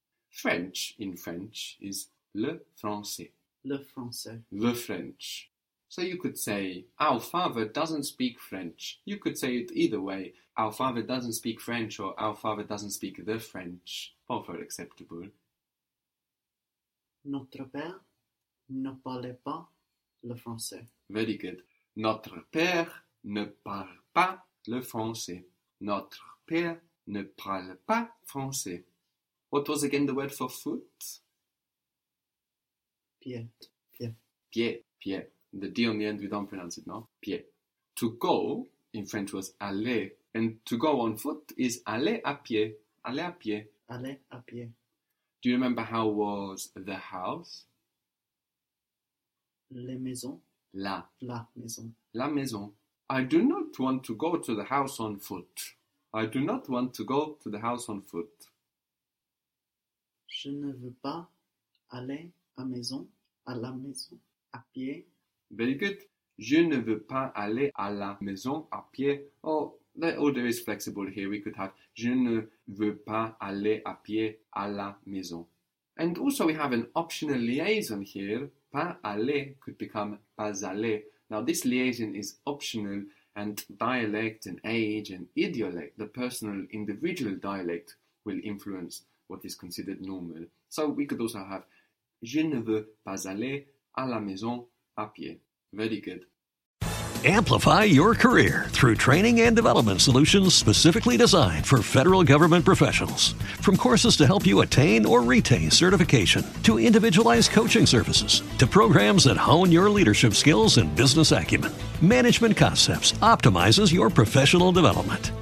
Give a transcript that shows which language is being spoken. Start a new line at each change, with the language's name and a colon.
English: French in French is le français.
French: Le français.
English: Le French. So you could say, our father doesn't speak French. You could say it either way. Our father doesn't speak French or our father doesn't speak the French. Both are acceptable.
French: Notre père ne parle pas le français.
English: Very good.
French: Notre père ne parle pas le français. Notre père ne parle pas français.
English: What was again the word for foot?
French: Pied. Pied. Pied. Pied.
English: The D on the end, we don't pronounce it, no? Pied. To go, in French, was aller. And to go on foot is
French: aller à pied. Aller à pied. Aller à pied.
English: Do you remember how was the house?
French: La maison. La. La maison. La maison.
English: I do not want to go to the house on foot. I do not want to go to the house on foot.
French: Je ne veux pas aller à maison, à la maison, à pied.
English: Very good.
French: Je ne veux pas aller à la maison à pied.
English: Oh, the order is flexible here. We could have
French: je ne veux pas aller à pied à la maison.
English: And also we have an optional liaison here. Pas aller could become pas aller. Now this liaison is optional and dialect and age and idiolect, the personal individual dialect, will influence what is considered normal. So we could also have
French: je ne veux pas aller à la maison à pied.
English: Very good. Amplify your career through training and development solutions specifically designed for federal government professionals. From courses to help you attain or retain certification, to individualized coaching services, to programs that hone your leadership skills and business acumen, Management Concepts optimizes your professional development.